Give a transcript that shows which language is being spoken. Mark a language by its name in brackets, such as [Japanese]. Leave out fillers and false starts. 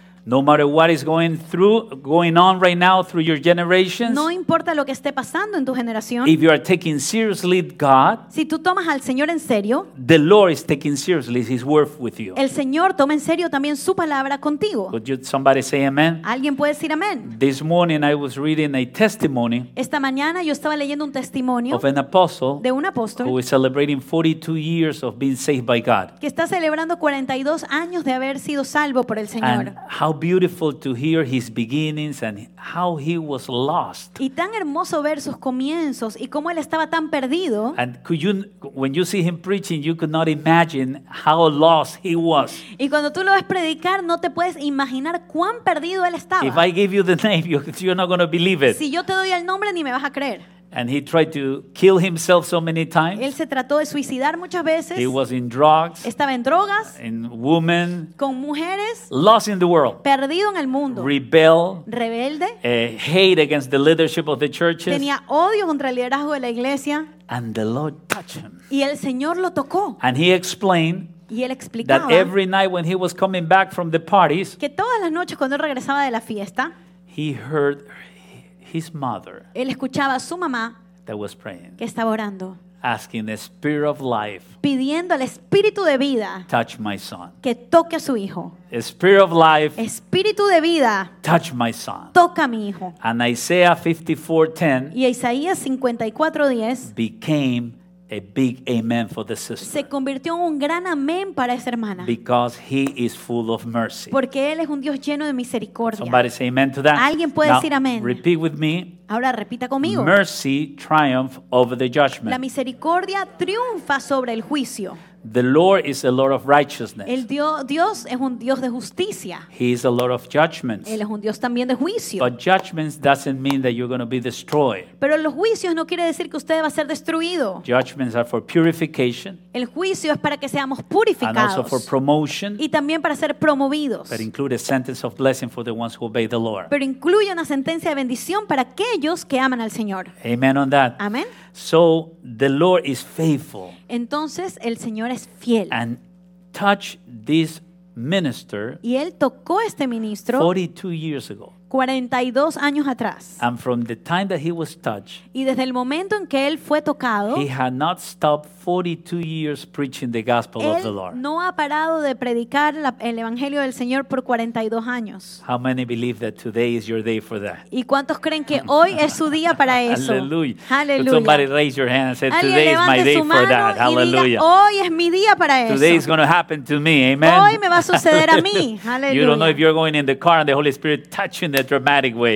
[English] No matter what is going on right now through your generations. [Spanish] No importa lo que esté pasando en tu generación. [English] If you are taking seriously God. [Spanish] Si tú tomas al Señor en serio. [English] The Lord is taking seriously His word with you. [Spanish] El Señor toma en serio también su palabra contigo. [English] Could you, somebody say amen? [Spanish] Alguien puede decir amén. [English] This morning I was reading a testimony. [Spanish] Esta mañana yo estaba leyendo un testimonio. [English] Of an apostle. [Spanish] De un apóstol. [English] Who is celebrating 42 years of being saved by God. [Spanish] Que está celebrando 42 años de haber sido salvo por el Señor. [English] And how beautiful to hear his beginnings and how he was lost. [Spanish] Y tan hermoso ver sus comienzos y cómo él estaba tan perdido. [English] And could you, when you see him preaching, you could not imagine how lost he was. [Spanish] Y cuando tú lo ves predicar, no te puedes imaginar cuán perdido él estaba. [English] If I give you the name, you're not going to believe it. [Spanish] Si yo te doy el nombre, ni me vas a creer. [English] And he tried to kill himself so many times. [Spanish] Él se trató de suicidar muchas veces. [English] He was in drugs. [Spanish] Estaba en drogas. [English] In women. [Spanish] Con mujeres. [English] Lost in the world. [Spanish] Perdido en el mundo. [English] Rebel. [Spanish] Rebelde. [English] Hate against the leadership of the churches. [Spanish] Tenía odio contra el liderazgo de la iglesia. [English] And the Lord touched him. [Spanish] Y el Señor lo tocó. [English] And he explained. [Spanish] Y él explicaba. [English] That every night when he was coming back from the parties. [Spanish] Que todas las noches cuando él regresaba de la fiesta. [English] He heard. His mother, [Spanish] él escuchaba a su mamá [English] that was praying, [Spanish] que estaba orando [English] asking the spirit of life, [Spanish] pidiendo al espíritu de vida [English] touch my son, [Spanish] que toque a su hijo. [English] A spirit of life, [Spanish] espíritu de vida [English] touch my son, [Spanish] toca a mi hijo. [English] And Isaiah 54:10, [Spanish] y Isaías 54:10 [English] became a big amen for the sister. [Spanish] Se convirtió en un gran amén para esa hermana. [English] Because he is full of mercy. [Spanish] Porque él es un Dios lleno de misericordia. [English] Somebody say amen to that. [Spanish] Alguien puede [English] now, [Spanish] decir amén. [English] Repeat with me. [Spanish] Ahora repita conmigo. [English] Mercy triumph over the judgment. [Spanish] La misericordia triunfa sobre el juicio. [English] The Lord is a Lord of righteousness. [Spanish] El Dios es un Dios de justicia. [English] He is a Lord of judgments. [Spanish] Él es un Dios también de juicio. [English] But judgments doesn't mean that you're going to be destroyed. [Spanish] Pero los juicios no quiere decir que usted va a ser destruido. [English] Judgments are for purification. [Spanish] El juicio es para que seamos purificados. [English] And also for promotion. [Spanish] Y también para ser promovidos. [English] But include a sentence of blessing for the ones who obey the Lord. [Spanish] Pero incluye una sentencia de bendición para aquellos que aman al Señor. [English] Amen on that. [Spanish] Amen. [English] So the Lord is faithful. [Spanish] Entonces el Señor es fiel. [English] And touch this minister. [Spanish] Y él tocó este ministro [English] 42 years ago. [Spanish] 42 años atrás. [English] And from the time that he was touched. [Spanish] Y desde el momento en que él fue tocado. [English] He had not stopped 42 years preaching the gospel of the Lord. [Spanish] Él no ha parado de predicar el evangelio del Señor por 42 años. [English] How many believe that today is your day for that? [Spanish] ¿Y cuántos creen que hoy es su día para eso? Aleluya. Aleluya. [English] Somebody raise your hand and say, today is my day for that. Hallelujah. [Spanish] Hoy es mi día para eso. [English] Today is going to happen to me. Amen. [Spanish] Hoy me va a suceder a mí. Aleluya. [English] You don't know if you're going in the car and the Holy Spirit touching in a dramatic way.